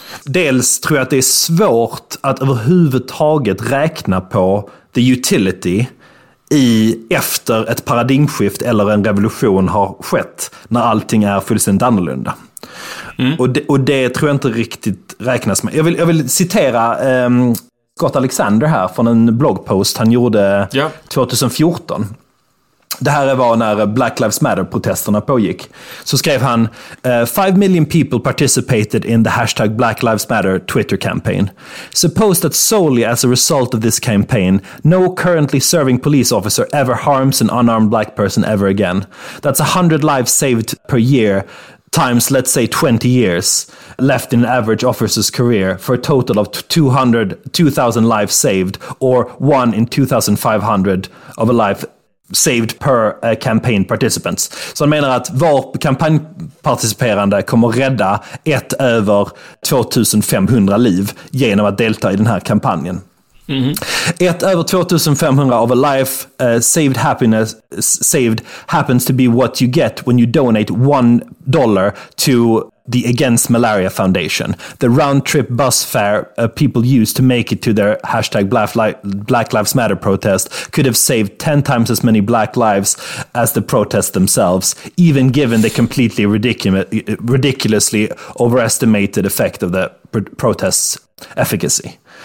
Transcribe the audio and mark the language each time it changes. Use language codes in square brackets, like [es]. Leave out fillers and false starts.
[sv] Dels tror jag att det är svårt att överhuvudtaget räkna på [en] the utility [sv] efter ett paradigmskift eller en revolution har skett, när allting är fullständigt annorlunda. Och det tror jag inte riktigt räknas med. Jag vill citera Scott Alexander här från en bloggpost han gjorde 2014. Det här var när Black Lives Matter-protesterna pågick. Så skrev han: [en] 5 million people participated in the hashtag Black Lives Matter Twitter campaign. Suppose that solely as a result of this campaign, no currently serving police officer ever harms an unarmed black person ever again. That's 100 lives saved per year times, let's say, 20 years left in an average officer's career, for a total of 2,000 lives saved, or 1 in 2,500 of a life saved per campaign participants. [sv] Så han menar att var kampanjparticiperande kommer rädda ett över 2500 liv genom att delta i den här kampanjen. Ett över 2500 [en] of a life saved happiness saved happens to be what you get when you donate $1 to the Against Malaria Foundation, the round trip bus fare people use to make it to their hashtag Black Lives Matter protest could have saved 10 times as many black lives as the protests themselves, even given the completely ridiculously overestimated effect of the protests' efficacy.